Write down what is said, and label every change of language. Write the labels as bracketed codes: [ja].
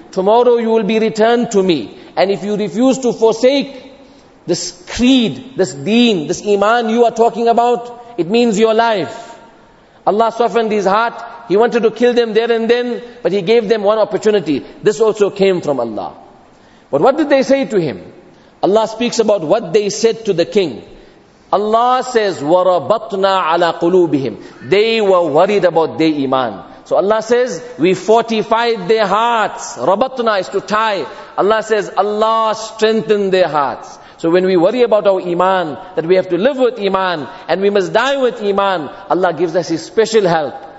[en] Tomorrow you will be returned to me. And if you refuse to forsake this creed, this deen, this iman you are talking about, it means your life. Allah softened his heart. He wanted to kill them there and then, but he gave them one opportunity. This also came from Allah. But what did they say to him? Allah speaks about what they said to the king. Allah says, [ar] وَرَبَطْنَا عَلَىٰ قُلُوبِهِمْ. [en] They were worried about their iman. So Allah says, we fortified their hearts. رَبَطْنَا is to tie. Allah says, Allah strengthened their hearts. So when we worry about our iman, that we have to live with iman, and we must die with iman, Allah gives us His special help.